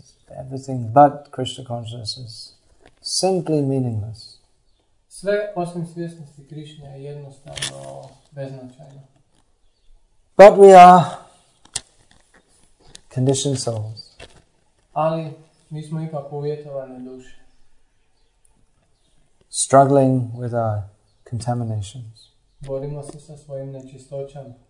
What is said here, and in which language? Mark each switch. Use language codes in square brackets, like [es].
[en] Everything but Krishna consciousness is simply meaningless. [hr] Sve osim svjesnosti Krishna je jednostavno beznačajno. [en] But we are conditioned souls. [hr] Ali mi smo ipak uvjetovane duše. [en] Struggling with our contaminations. [hr] Borimo se sa svojim nečistoćama.